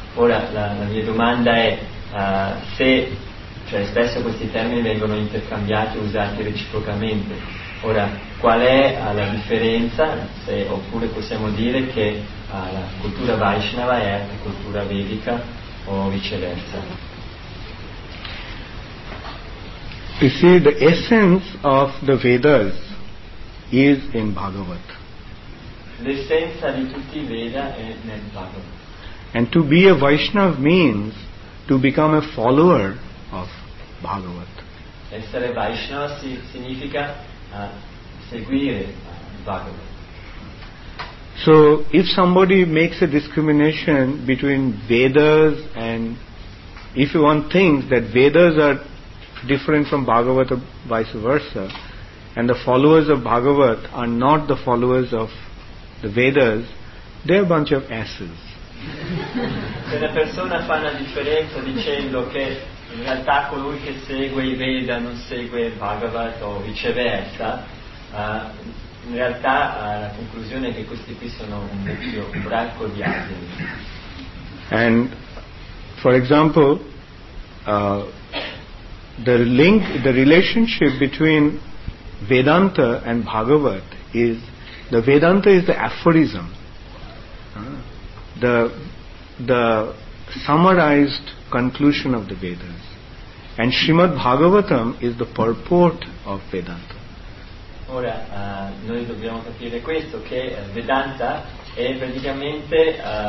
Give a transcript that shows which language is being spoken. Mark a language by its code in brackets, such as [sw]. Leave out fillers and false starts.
[it] Ora la mia domanda è se spesso questi termini vengono intercambiati e usati reciprocamente. Ora, qual è la differenza, oppure possiamo dire che la cultura Vaishnava è anche cultura vedica o viceversa? [en] You see, the essence of the Vedas is in Bhagavad. [it] L'essenza di tutti i Veda è nel Bhagavad. [en] And to be a Vaishnav means to become a follower of Bhagavad. [it] Essere Vaishnava significa seguire Bhagavad. [en] So if somebody makes a discrimination between Vedas, and if one thinks that Vedas are different from Bhagavata, vice versa, and the followers of Bhagavat are not the followers of the Vedas, they're a bunch of asses. [it] Se una persona fa una differenza dicendo che in realtà colui che segue i Veda non segue il Bhagavat o viceversa, in realtà la conclusione è che questi qui sono un vecchio branco di asini. [en] And for example, the relationship between Vedanta and Bhagavad is, the Vedanta is the aphorism, the summarized conclusion of the Vedas, and Srimad Bhagavatam is the purport of Vedanta. [it] Ora, noi dobbiamo capire questo, che Vedanta è praticamente